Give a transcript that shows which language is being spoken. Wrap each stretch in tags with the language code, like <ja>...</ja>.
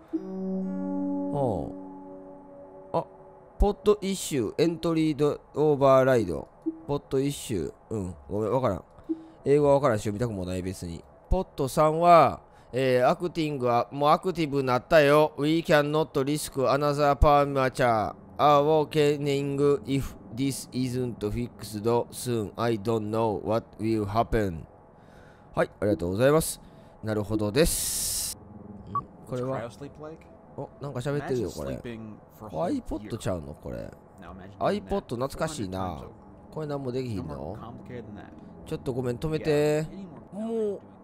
<ja>おう。あ、ポッドイッシュ、エントリードオーバーライド。ポッドイッシュ、うん、ごめん、わからん。英語はわからんし、読みたくもない、別に。ポットさんは、アクティングはもうアクティブになったよ。</ja> <en>We cannot risk another permature. Our warning if this isn't fixed soon, I don't know what will happen.</en> <ja>はい、ありがとうございます。なるほどです。これは、お、なんか喋ってるよ、これ。 iPod ちゃうのこれ。iPod 懐かしいな。これなんもできひんの？ちょっとごめん、止めて。もう。</ja>